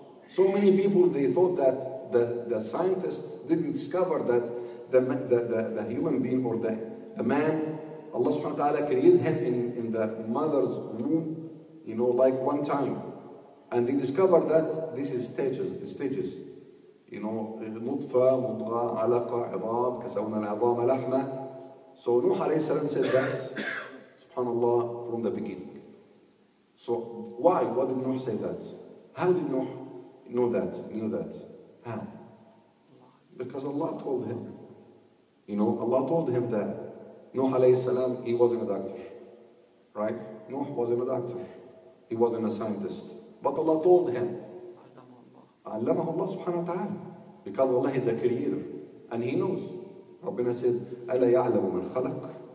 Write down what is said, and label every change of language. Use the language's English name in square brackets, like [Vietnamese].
[English] So many people, they thought that the scientists didn't discover that the human being or the man, Allah subhanahu wa ta'ala created him in the mother's womb, you know, like one time. And they discovered that this is stages. You know, [Arabic] نطفة, مضغة, علقة, عظام, كسونا العظام, لحمة. [English] So Nuh alayhi salam said that, subhanAllah, from the beginning. So why? What did Nuh say that? How did Nuh know that? How? because Allah told him. You know, Allah told him that Nuh alayhi salam, he wasn't a doctor. Right? Nuh wasn't a doctor. He wasn't a scientist. But Allah told him. [Arabic] عَلَّمَهُ اللَّهُ سُبْحَانَهُ وَتَعَالَى. [English] Because Allah is the creator. And he knows. [Arabic] Rabbina said, أَلَا يَعْلَمُ مَنْ خَلَقْ.